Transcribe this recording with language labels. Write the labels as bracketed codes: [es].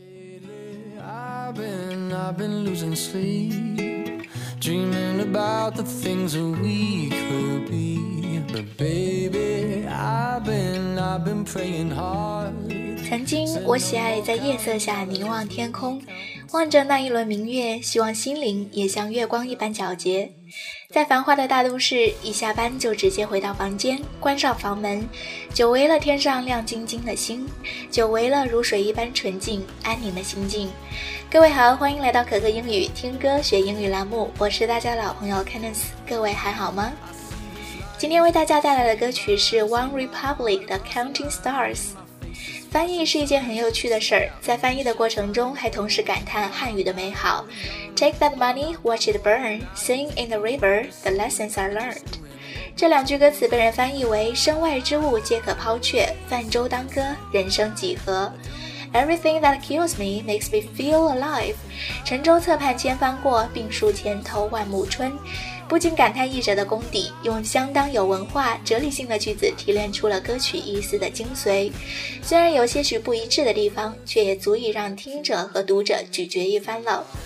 [en] I've been losing sleep, dreaming about the things that we could be. But baby, I've been praying hard. [zh] 曾经我喜爱在夜色下凝望天空，望着那一轮明月，希望心灵也像月光一般皎洁。在繁华的大都市，一下班就直接回到房间，关上房门，久违了天上亮晶晶的星，久违了如水一般纯净安宁的心境。各位好，欢迎来到可可英语听歌学英语栏目，我是大家老朋友 Kenneth， 各位还好吗？今天为大家带来的歌曲是 One Republic 的 Counting Stars。翻译是一件很有趣的事儿，在翻译的过程中还同时感叹汉语的美好。 [en] Take that money, watch it burn, sing in the river, the lessons are learned. [zh] 这两句歌词被人翻译为身外之物皆可抛却，泛舟当歌，人生几何。 [en] Everything that kills me makes me feel alive. [zh] 乘舟侧畔千帆过，病树前头万木春。不禁感叹译者的功底，用相当有文化、哲理性的句子提炼出了歌曲意思的精髓。虽然有些许不一致的地方，却也足以让听者和读者咀嚼一番了。